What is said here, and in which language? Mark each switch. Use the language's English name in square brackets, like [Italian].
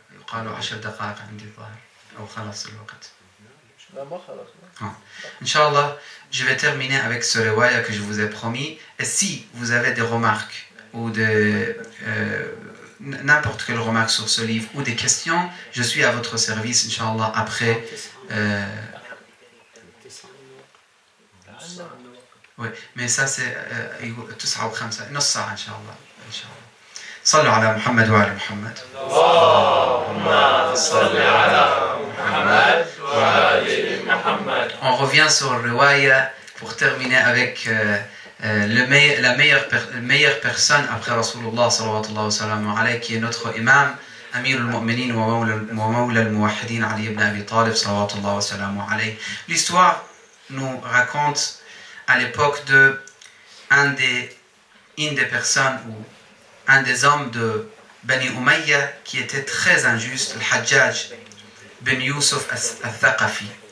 [Arabic] قالوا 10 دقائق عندي الظاهر أو خلاص الوقت. لا ما خلاص. إن شاء الله. [French] Je vais terminer avec ce rewaya que je vous ai promis. Et si vous avez des remarques ou de n'importe quelle remarque sur ce livre ou des questions, je suis à votre service, [Arabic] إن شاء الله. [French] Après. Oui, mais ça c'est 9:05. [Arabic] نص ساعة إن شاء الله. إن شاء الله. صلوا على محمد وعلى محمد اللهم صل على محمد وعلى محمد. [French] On revient sur le riwaya pour terminer avec la meilleure personne après Rasulullah [Arabic] sallallahu alayhi wa sallam, [French] qui est notre imam [Arabic] أمير المؤمنين ومولى الموحدين علي بن أبي طالب صلوات الله وسلامه عليه. [French] L'histoire nous raconte à l'époque de une des personnes ou un des hommes de Bani Umayya qui était très injuste, Al-Hajjaj bin Yusuf al-Thaqafi.